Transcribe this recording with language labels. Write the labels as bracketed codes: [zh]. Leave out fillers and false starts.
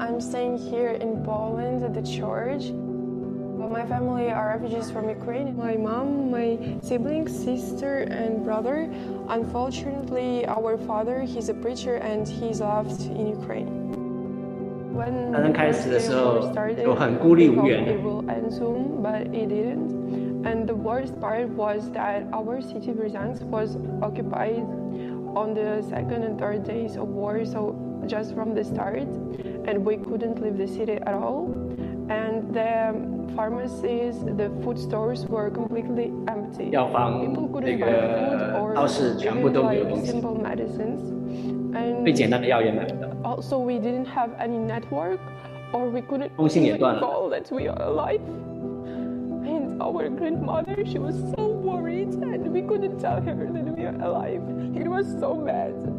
[en] I'm staying here in Poland at the church. But my family are refugees from Ukraine. My mom, my siblings, sister, and brother. Unfortunately, our father, he's a preacher, and he's left in Ukraine. [zh] 战争开始的时候就很孤立无援最简单的药也买不到。 [en] Also, we didn't have any network, or we couldn't. [zh] 通信也断了。 [en] Call that we are alive, and our grandmother, she was so worried, and we couldn't tell her that we are alive. It was so bad.